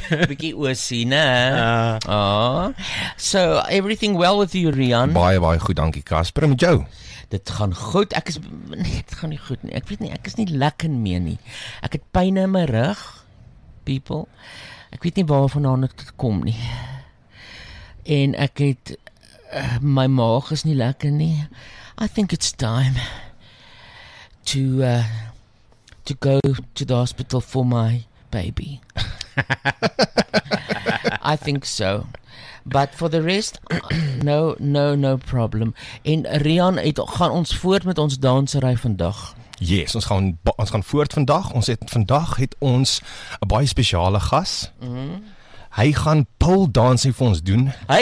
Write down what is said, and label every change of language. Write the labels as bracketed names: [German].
[Afrikaans] Bietjie oosie, né? [English] So, everything well with you, Rian? [Afrikaans] Baie, baie goed, dankie, Kasper. En met jou? Dit gaan goed. Ek is... Nee, dit gaan nie goed nie. Ek weet nie, ek is nie lekker meer nie. Ek het pyn in my rug, people. Ek weet nie waar vanaan ek dit kom nie. En ek het... my maag is nie lekker nie. [English] I think it's time to go to the hospital for my baby. I think so. But for the rest, no problem. [Afrikaans] En Rian, gaan ons voort met ons dansery vandag? Yes, ons gaan voort vandag. Vandag het ons 'n baie spesiale gas. Hy gaan pole dancing vir ons doen.